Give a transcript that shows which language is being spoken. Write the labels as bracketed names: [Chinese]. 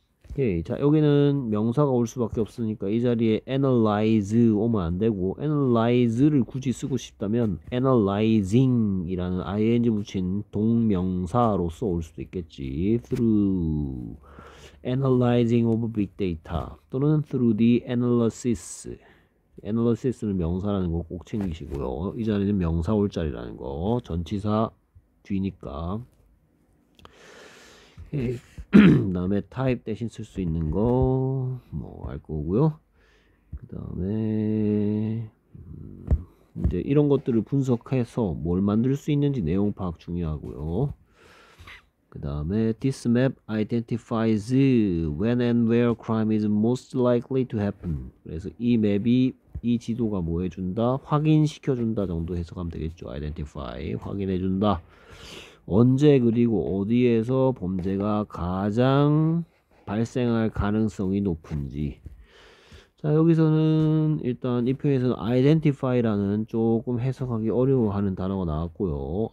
[Korean] 오케이, 자 여기는 명사가 올 수밖에 없으니까 이 자리에 analyze 오면 안 되고 analyze를 굳이 쓰고 싶다면 analyzing이라는 ing 붙인 동명사로서 올 수도 있겠지 [English] through analyzing of big data [Korean] 또는 [English] through the analysis analysis [Korean] 는 명사라는 거꼭 챙기시고요 이 자리는 명사 올 자리라는 거 전치사 뒤니까 오케이. 다음에 타입 대신 쓸수 있는 거뭐알 거고요. 그다음에 이제 이런 것들을 분석해서 뭘 만들 수 있는지 내용 파악 중요하고요. 그다음에 [English] this map identifies when and where crime is most likely to happen. [Korean] 그래서 이 맵이 이 지도가 뭐 해준다? 확인시켜 준다 정도 해석하면 되겠죠. Identify 확인해 준다. 언제 그리고 어디에서 범죄가 가장 발생할 가능성이 높은지. 자, 여기서는 일단 이 표에서는 identify라는 조금 해석하기 어려워하는 단어가 나왔고요.